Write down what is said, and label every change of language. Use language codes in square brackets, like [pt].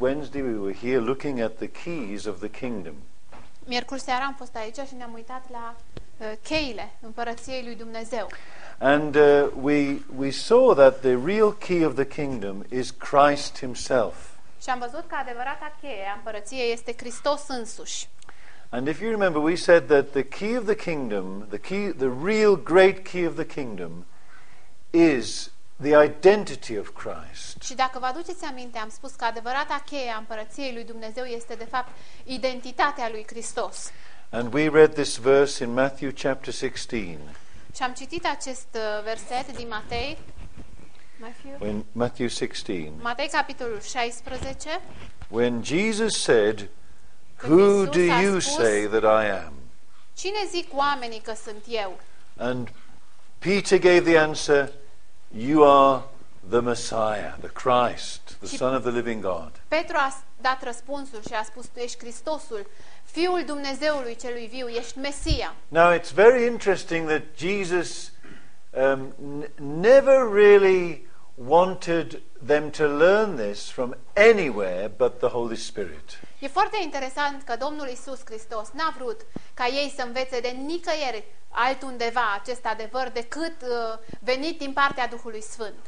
[en] Wednesday, we were here looking at the keys of the kingdom. [ro] Miercuri seara am fost aici și ne-am uitat la cheile împărăției lui Dumnezeu. [en] And we saw that the real key of the kingdom is Christ himself. [ro] Și am văzut că adevărata cheie a împărăției este Hristos însuși. [en] And if you remember, we said that the key of the kingdom, the real great key of the kingdom is the identity of Christ. [ro] Și dacă vă aduceți aminte, am spus că adevărata cheie a împărăției lui Dumnezeu este de fapt identitatea lui Hristos. [en] And we read this verse in Matthew chapter 16. [ro] Și am citit acest verset din Matei. [en] Matthew 16. [ro] Matei capitolul 16. [en] When Jesus said, "Who do you say that I am?" [ro] Cine zic oamenii că sunt eu? [en] And Peter gave the answer, "You are the Messiah, the Christ, the Son of the living God." [ro] Petru a dat răspunsul și a spus, "Tu ești Hristosul, Fiul Dumnezeului celui viu, ești Mesia." [en] Now it's very interesting that Jesus never really wanted them to learn this from anywhere but the Holy Spirit. [ro] E foarte interesant că Domnul Iisus Hristos n-a vrut ca ei să învețe de nicăieri altundeva acest adevăr decât venit din partea Duhului Sfânt.